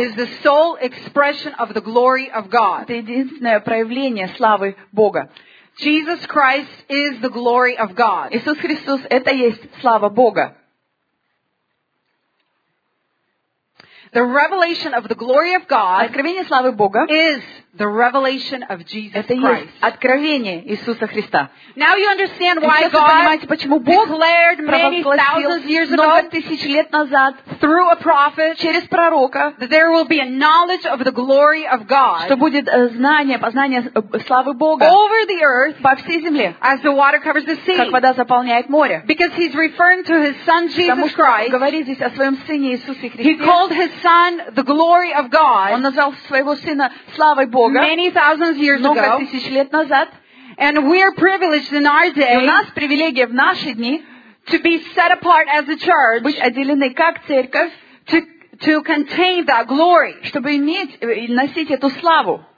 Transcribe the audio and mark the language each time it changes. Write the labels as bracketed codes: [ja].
[en] is the sole expression of the glory of God. [ru] Это единственное проявление славы Бога. [en] Jesus Christ is the glory of God. [ru] Иисус Христос это есть слава Бога. [en] The revelation of the glory of God, [ru] откровение славы Бога, [en] is the revelation of Jesus Christ. [ru] Это есть откровение Иисуса Христа. [en] Now you understand why God declared many thousands of years ago, [ru] много тысяч лет назад, [en] through a prophet, [ru] через пророка, [en] that there will be a knowledge of the glory of God, [ru] что будет знание, познание славы Бога, [en] over the earth, [ru] по всей земле, [en] as the water covers the sea, [ru] как вода заполняет море, [en] because he's referring to his Son Jesus Christ. [ru] Говорит здесь о своем сыне Иисусе Христе. [en] He called his Son the glory of God. [ru] Он назвал своего сына славой Бога, [en] many thousands of years ago, [ru] много тысяч лет назад, [en] and we are privileged in our day, [ru] у нас привилегия в наши дни, [en] to be set apart as a church, [ru] быть отделены как церковь, [en] to contain that glory, [ru] чтобы иметь и носить эту славу.